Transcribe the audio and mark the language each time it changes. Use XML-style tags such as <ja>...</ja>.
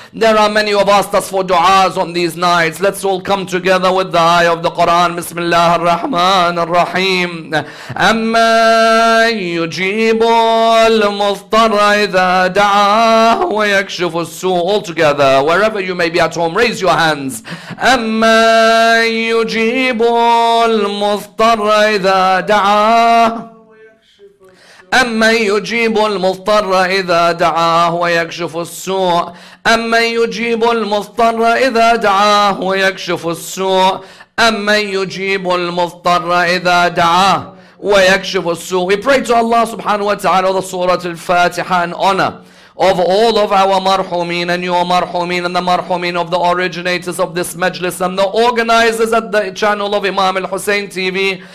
<en>There are many who have asked us for du'as on these nights. Let's all come together with the eye of the Quran.</en> <ar>Bismillah ar-Rahman ar-Rahim. Amma yujibu al-Mustarra idha دعاه ويكشف السوء.</ar> <en>Altogether, wherever you may be at home, raise your hands.</en> <ar>أما يجيب المضطر إذا دعاه. أمن يجيب المضطر إذا دعاه ويكشف السوء. أمن يجيب المضطر إذا دعاه ويكشف السوء. أمن يجيب المضطر إذا دعاه ويكشف السوء.</ar> <en>We pray to Allah subhanahu wa ta'ala the Surah Al-Fatiha in honor of all of our marhumin and your marhumin and the marhumin of the originators of this majlis and the organizers at the channel of Imam Al-Hussein TV.</en>